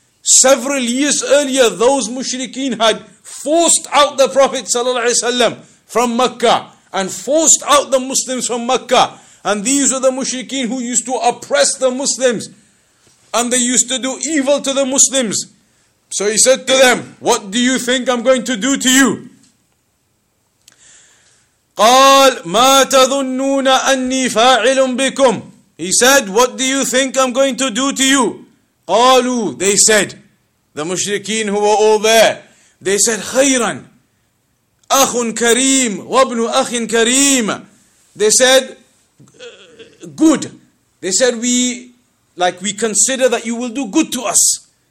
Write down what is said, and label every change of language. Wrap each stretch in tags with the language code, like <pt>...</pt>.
<en>Several years earlier, those mushrikeen had forced out the Prophet ﷺ from Makkah, and forced out the Muslims from Makkah. And these were the mushrikeen who used to oppress the Muslims, and they used to do evil to the Muslims. So he said to them, "What do you think I'm going to do to you?"</en> <ar>قال ما تظنون أني فاعل بكم.</ar> <en>He said, "What do you think I'm going to do to you?"</en> <ar>قالوا,</ar> <en>they said, the mushrikeen who were all there, they said,</en> <ar>خيرا أخ كريم وابن أخ كريم.</ar> <en>They said, good. They said, we consider that you will do good to us.</en>